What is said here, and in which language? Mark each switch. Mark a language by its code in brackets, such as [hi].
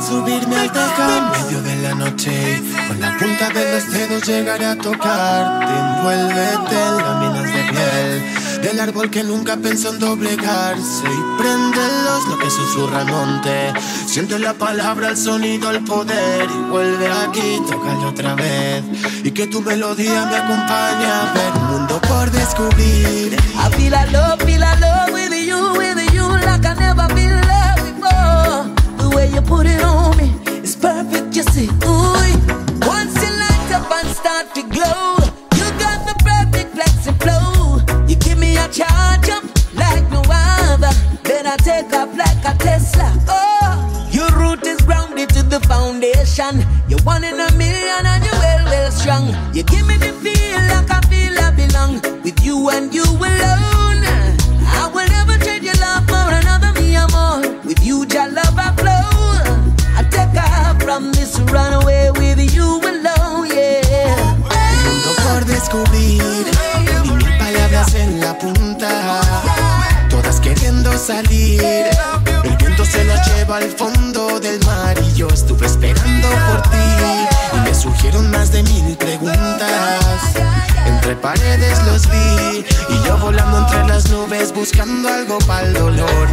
[es] Subir me al tacón en medio de la noche. Con la punta de los dedos llegaré a tocarte. Envuélvete en láminas de piel. del árbol que nunca pensó en doblegarse. Y prende los lo que susurra el monte. Siente la palabra, el sonido, el poder. Y vuelve aquí, tócalo otra vez. Y que tu melodía me acompañe a ver el mundo por descubrir. [en] Feel a love with you like I never been loved before. The way you put it on me, it's perfect, you see. Ooh, once you light up and start to glow, you got the perfect flexi flow. You give me a charge up like no other. Then I take off like a Tesla. Oh, your root is grounded to the foundation. You're one in a million and you're well, well strong. You give me the feel like I feel I belong. With you and you alone, I will never trade your love for another me or more. With you, your love I flow. I take off from this runaway with you alone, yeah. [es] Mundo por descubrir, y mil palabras en la punta, todas queriendo salir. El viento se las lleva al fondo del mar y yo estuve esperando por ti. Y me surgieron más de mil preguntas. Entre paredes los vi y yo volando entre las nubes buscando algo para el dolor.